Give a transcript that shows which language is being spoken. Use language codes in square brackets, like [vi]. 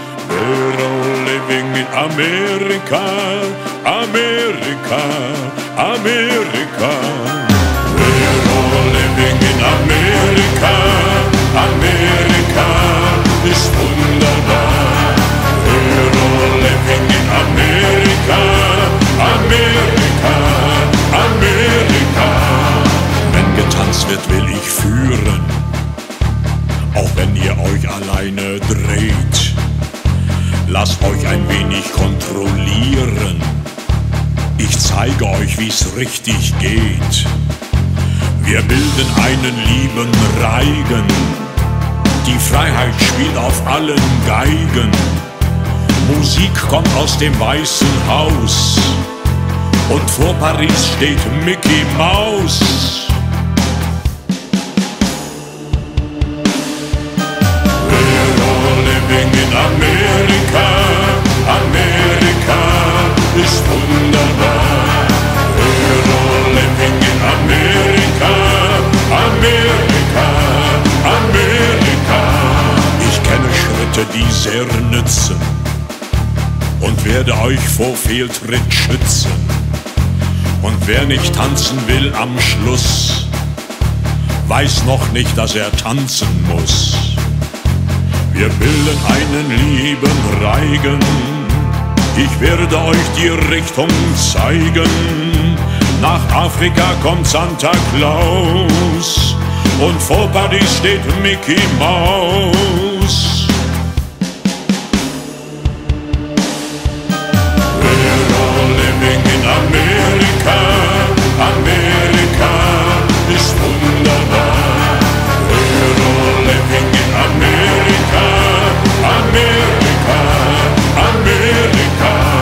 [en] We're all living in America. America, America. We're all living in America. America is [de] wunderbar. [en] We're all living in America. America, America. [de] Wenn getanzt wird, will ich führen. Auch wenn ihr euch alleine dreht, lasst euch ein wenig kontrollieren. Ich zeige euch, wie's richtig geht. Wir bilden einen lieben Reigen. Die Freiheit spielt auf allen Geigen. Musik kommt aus dem Weißen Haus. Und vor Paris steht Mickey Maus. [en] We're all living in America. America [de] ist wunderbar. [en] We're all living in America. America, America. [de] Ich kenne Schritte, die sehr nützen. Und werde euch vor Fehltritt schützen. Und wer nicht tanzen will am Schluss, weiß noch nicht, dass er tanzen muss. Wir bilden einen lieben Reigen. Ich werde euch die Richtung zeigen. Nach Afrika kommt Santa Claus. Und vor Paris steht Mickey Maus. [en] We're all living in America. [de] America ist wunderbar. [en] We're all living in America. America, America.